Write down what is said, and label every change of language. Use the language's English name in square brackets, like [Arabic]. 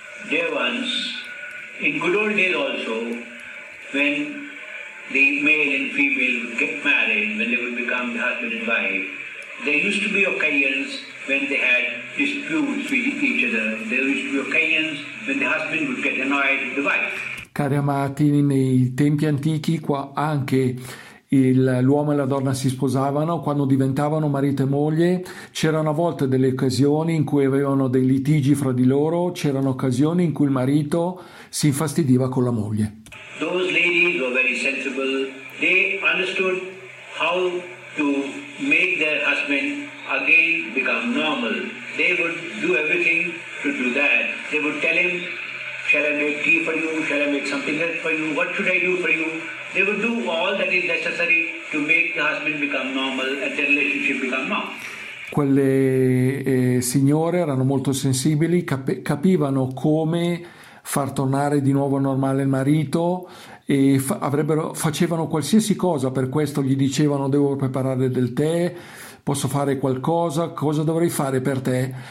[English] Dear ones, in good old days also, when the male and female would get married, when they would become husband and wife, there used to be occasions when they had disputes with each other. There used to be occasions when the husband would get annoyed with the wife. [Italian] Cari amati, nei tempi antichi qua anche l'uomo e la donna si sposavano, quando diventavano marito e moglie c'erano a volte delle occasioni in cui avevano dei litigi fra di loro, c'erano occasioni in cui il marito si infastidiva con la moglie. [English] Those ladies were very sensible. They understood how to make their husband again become normal. They would do everything to do that. They would tell him, shall I make tea for you? Shall I make something else for you? What should I do for you? They would do all that is necessary to make the husband become normal and their relationship become normal. [Italian] Quelle signore erano molto sensibili, capivano come far tornare di nuovo normale il marito e facevano qualsiasi cosa. Per questo gli dicevano: devo preparare del tè, posso fare qualcosa, cosa dovrei fare per te?